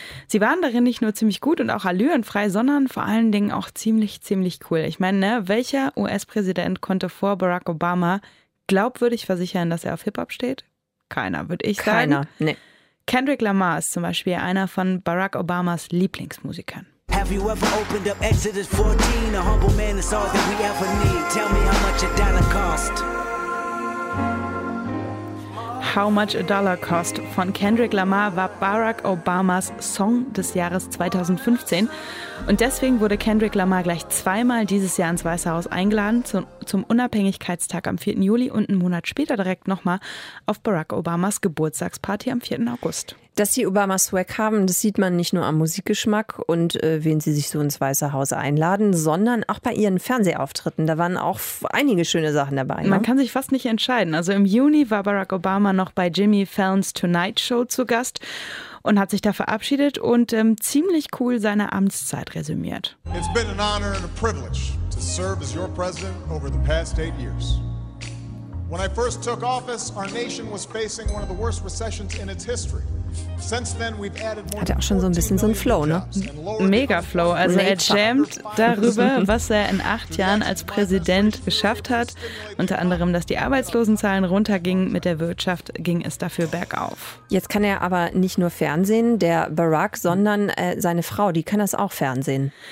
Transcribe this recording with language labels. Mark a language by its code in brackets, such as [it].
[de] Sie waren darin nicht nur ziemlich gut und auch allürenfrei, sondern vor allen Dingen auch ziemlich, ziemlich cool. Ich meine, ne, welcher US-Präsident konnte vor Barack Obama glaubwürdig versichern, dass er auf Hip-Hop steht? Keiner, würde ich sagen. Keiner, nee. Kendrick Lamar ist zum Beispiel einer von Barack Obamas Lieblingsmusikern. [en] Have you ever opened up Exodus 14? A humble man is all that we ever need. Tell me how much a dollar cost. [de] How Much a Dollar Cost von Kendrick Lamar war Barack Obamas Song des Jahres 2015. Und deswegen wurde Kendrick Lamar gleich 2-mal dieses Jahr ins Weiße Haus eingeladen, zum Unabhängigkeitstag am 4. Juli und einen Monat später direkt nochmal auf Barack Obamas Geburtstagsparty am 4. August. Dass die Obamas Swag haben, das sieht man nicht nur am Musikgeschmack und wen sie sich so ins Weiße Haus einladen, sondern auch bei ihren Fernsehauftritten. Da waren auch einige schöne Sachen dabei. Ne? Man kann sich fast nicht entscheiden. Also im Juni war Barack Obama noch bei Jimmy Fallon's Tonight Show zu Gast und hat sich da verabschiedet und ziemlich cool seine Amtszeit resümiert. [en] It's been an honor and a privilege to serve as your president over the past 8 years. When I first took office, our nation was facing one of the worst recessions in its history. Since then we've added more. [de] Hat er auch schon so ein bisschen so einen Flow, ne? Mega Flow. Also er jammt darüber, was er in 8 Jahren als Präsident geschafft hat. Unter anderem, dass die Arbeitslosenzahlen runtergingen, mit der Wirtschaft ging es dafür bergauf. Jetzt kann er aber nicht nur Fernsehen, der Barack, sondern seine Frau, die kann das auch Fernsehen.